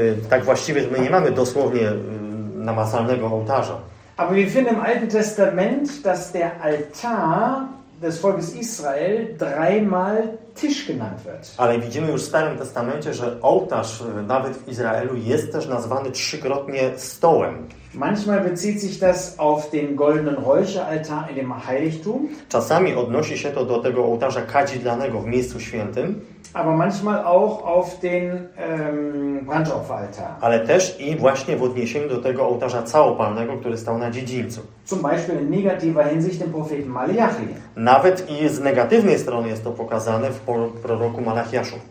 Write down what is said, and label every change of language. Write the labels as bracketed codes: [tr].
[pl] Tak właściwie my nie mamy dosłownie namacalnego ołtarza. [de] Aber wir finden im Alten Testament, dass der Altar des Volkes Israel dreimal Tisch genannt wird. [pl] Ale widzimy już w Starym Testamencie, że ołtarz nawet w Izraelu jest też nazwany trzykrotnie stołem. [de] Manchmal bezieht sich das auf den goldenen Räucheraltar in dem Heiligtum. [pl] Czasami odnosi się to do tego ołtarza kadzidlanego w miejscu świętym. [de] Aber manchmal auch auf den Brandopferaltar. [pl] Ale też i właśnie w odniesieniu do tego ołtarza całopalnego, który stał na dziedzińcu. [de] Zum Beispiel in negativer Hinsicht im Propheten Malachi. [pl] Nawet i z negatywnej strony jest to pokazane w proroku Malachiaszu.